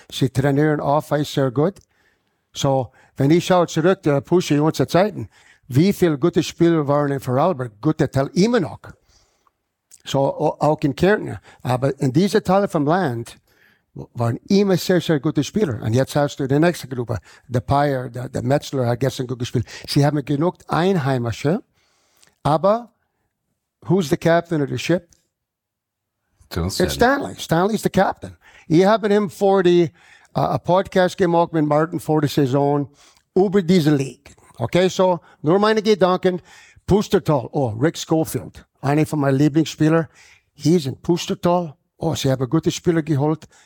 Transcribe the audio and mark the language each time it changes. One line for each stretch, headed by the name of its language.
German: Sie trainieren auf Eis sehr gut. So, wenn ich schaue zurück, der Pusche in unsere Zeiten, wie viele gute Spieler waren in Vorarlberg? Gute Teil immer noch. So, auch in Kärnten. Aber in dieser Teil vom Land, waren immer sehr, sehr gute Spieler. Und jetzt hast du die nächste Gruppe. Der Payer, der Metzler hat gestern gut gespielt. Sie haben genug Einheimische.
English: Aber, who's the captain of the ship? It's Stanley. Stanley's the captain.
German: Ich habe ihm vor die, a Podcast gemacht mit Martin vor der Saison über diese League. Okay, so, nur meine Gedanken. Pustertal. Oh, Rick Schofield. Einer von meinen Lieblingsspielern.
English: He's in Pustertal.
German: Oh, sie haben gute Spieler geholt.